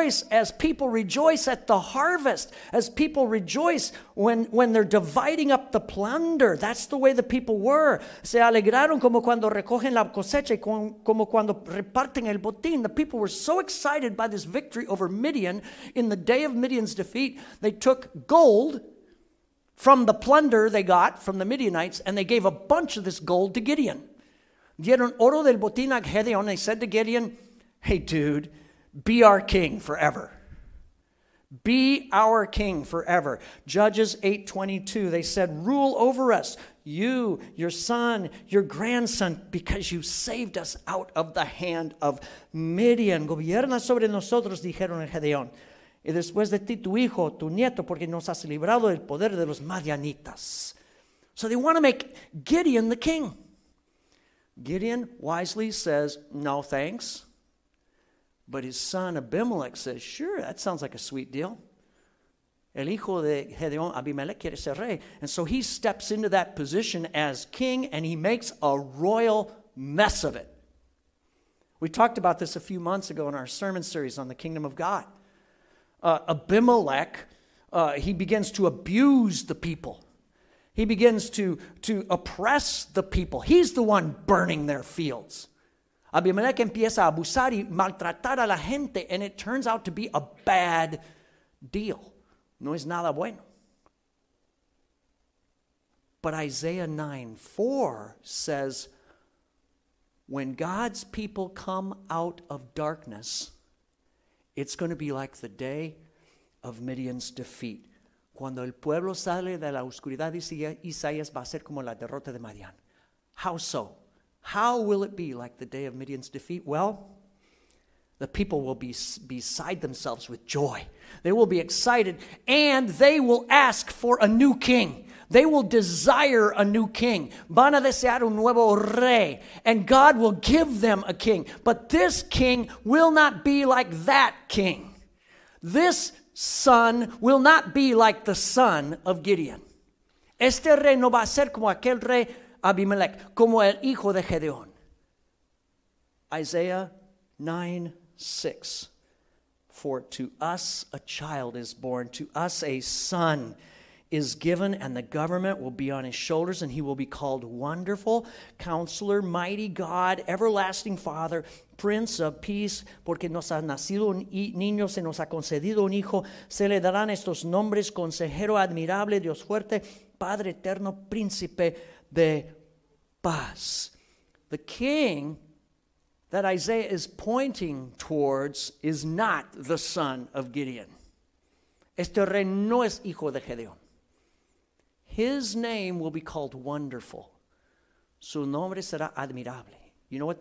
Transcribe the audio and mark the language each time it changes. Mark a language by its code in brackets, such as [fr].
[en] As people rejoice at the harvest, as people rejoice when they're dividing up the plunder. That's the way the people were. [es] Se alegraron como cuando recogen la cosecha y como cuando reparten el botín. [en] The people were so excited by this victory over Midian. In the day of Midian's defeat, they took gold from the plunder they got from the Midianites and they gave a bunch of this gold to Gideon. [es] Dieron oro del botín a Gedeón. [en] They said to Gideon, hey, dude, be our king forever. Be our king forever. Judges 8:22, they said, rule over us, you, your son, your grandson, because you saved us out of the hand of Midian. [es] Gobierna sobre nosotros, dijeron a Gedeón. Y después de ti, tu hijo, tu nieto, porque nos has librado del poder de los Madianitas. [en] So they want to make Gideon the king. Gideon wisely says, no thanks. But his son Abimelech says, sure, that sounds like a sweet deal. [es] El hijo de Gedeón, Abimelech, quiere ser rey. [en] And so he steps into that position as king, and he makes a royal mess of it. We talked about this a few months ago in our sermon series on the kingdom of God. Abimelech, he begins to abuse the people. He begins to oppress the people. He's the one burning their fields. [es] Abimelech empieza a abusar y maltratar a la gente, [en] and it turns out to be a bad deal. [es] No es nada bueno. [en] But Isaiah 9:4 says, when God's people come out of darkness, it's going to be like the day of Midian's defeat. [es] Cuando el pueblo sale de la oscuridad, dice Isaías, va a ser como la derrota de Madian. [en] How so? How will it be like the day of Midian's defeat? Well, the people will be beside themselves with joy. They will be excited, and they will ask for a new king. They will desire a new king. [es] Van a desear un nuevo rey, [en] and God will give them a king. But this king will not be like that king. This son will not be like the son of Gideon. [es] Este rey no va a ser como aquel rey Abimelech, como el hijo de Gedeón. [en] Isaiah 9:6. For to us a child is born, to us a son is given, and the government will be on his shoulders, and he will be called Wonderful, Counselor, Mighty God, Everlasting Father, Prince of Peace. [es] Porque nos ha nacido un niño, se nos ha concedido un hijo, se le darán estos nombres, Consejero Admirable, Dios Fuerte, Padre Eterno, Príncipe de Paz. [en] The king that Isaiah is pointing towards is not the son of Gideon. [es] Este rey no es hijo de Gedeón. [en] His name will be called Wonderful. [es] Su nombre será Admirable. [en] You know what?